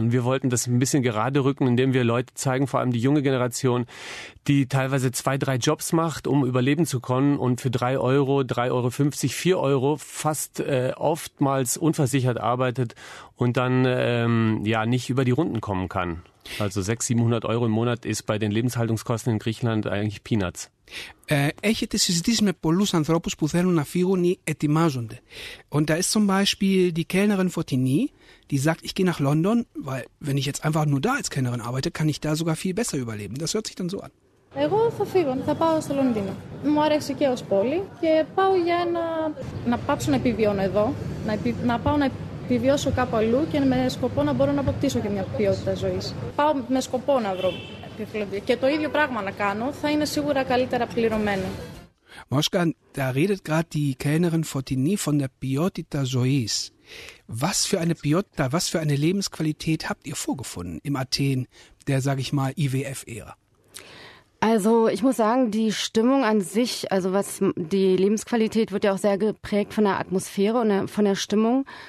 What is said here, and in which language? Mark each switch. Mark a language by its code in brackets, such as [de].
[de] Und wir wollten das ein bisschen gerade rücken, indem wir Leute zeigen, vor allem die junge Generation, die teilweise 2-3 Jobs macht, um überleben zu können und für 3 Euro, 3,50 Euro, 4 Euro fast oftmals unversichert arbeitet und dann nicht über die Runden kommen kann. Also 600-700 € im Monat ist bei den Lebenshaltungskosten in Griechenland eigentlich Peanuts. [el] Έχετε συζητήσει με πολλούς ανθρώπους που θέλουν να φύγουν ή ετοιμάζονται. [de] Und da ist zum Beispiel die Kellnerin Fotini, die sagt, ich gehe nach London, weil wenn ich jetzt einfach nur da als Kellnerin arbeite, kann ich da sogar viel besser überleben. Das hört sich dann so an. [el] Εγώ θα φύγω, θα πάω στο Λονδίνο. Μου αρέσει και ως πόλη και πάω για να πάψω να επιβιώνω εδώ, να πάω να επιβιώσω κάπου αλλού και με σκοπό να μπορώ να αποκτήσω και μια ποιότητα ζωής. Πάω με σκοπό να βρω. Και το ίδιο πράγμα να κάνω θα είναι σίγουρα καλύτερα πληρωμένο. [de] Moschkan, da redet gerade die Kellnerin Fotini von der [el] ποιότητα ζωής. [de] Was für eine [el] ποιότητα, [de] was für eine Lebensqualität habt ihr vorgefunden im Athen der, sage ich mal, IWF-Ära? Also ich muss sagen, die Stimmung an sich, also was die Lebensqualität wird ja auch sehr geprägt von der Atmosphäre und von der Stimmung.